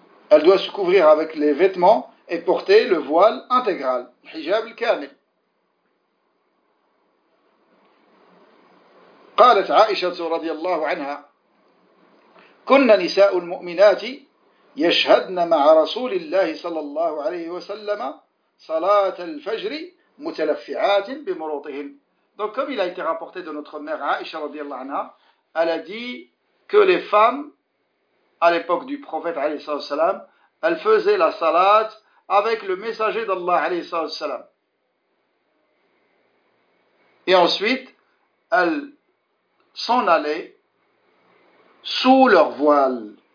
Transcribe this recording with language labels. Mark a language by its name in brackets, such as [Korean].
[French] Elle doit se couvrir avec les vêtements et porter le voile intégral. [Arabic] Hijab al-kamil. قالت عائشة رضي الله عنها: كنا نساء المؤمنات يشهدن مع رسول الله صلى الله عليه وسلم صلاة الفجر متلفعات بمروطهن. [French] Donc comme il a été rapporté de notre mère Aïcha [Arabic] رضي الله عنها, [French] elle a dit que les femmes à l'époque du prophète [Arabic] عليه الصلاة والسلام, [French] elles faisaient la salat avec le messager d'Allah عليه الصلاة والسلام. Et ensuite, elles s'en allaient sous leur voile.